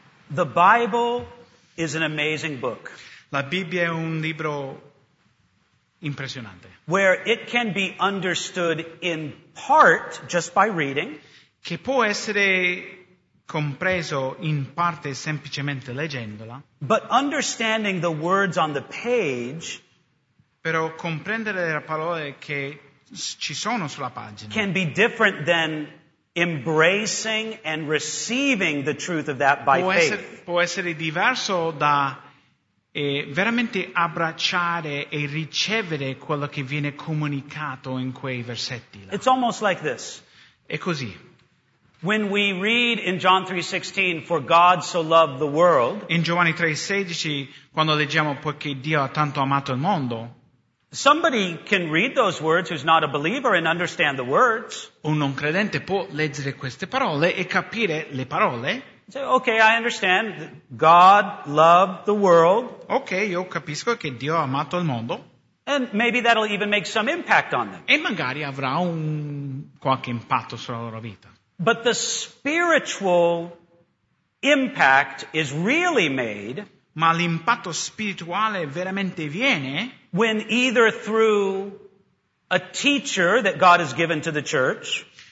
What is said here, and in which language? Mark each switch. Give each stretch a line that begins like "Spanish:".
English: The Bible is an amazing book.
Italian: La Bibbia è un libro impressionante.
English: Where it can be understood in part just by reading.
Italian: Che può essere compreso in parte semplicemente leggendola.
English: But understanding the words on the page,
Italian: però comprendere le parole che ci sono sulla pagina,
English: can be different than embracing and receiving the truth of that by faith.
Italian: Può essere diverso da veramente abbracciare e ricevere quello che viene comunicato in quei versetti là.
English: It's almost like this.
Italian: È così.
English: When we read in John 3:16, for God so loved the world.
Italian: In Giovanni 3:16, quando leggiamo poiché Dio ha tanto amato il mondo.
English: Somebody can read those words who's not a believer and understand the words.
Italian: Un non credente può leggere queste parole e capire le parole.
English: Say, okay, I understand. God loved the world.
Italian: Okay, io capisco che Dio ha amato il mondo.
English: And maybe that'll even make some impact on them.
Italian: E magari avrà un qualche impatto sulla loro vita.
English: But the spiritual impact is really made.
Italian: Ma l'impatto spirituale veramente viene
English: when either through a teacher that God has given to the church.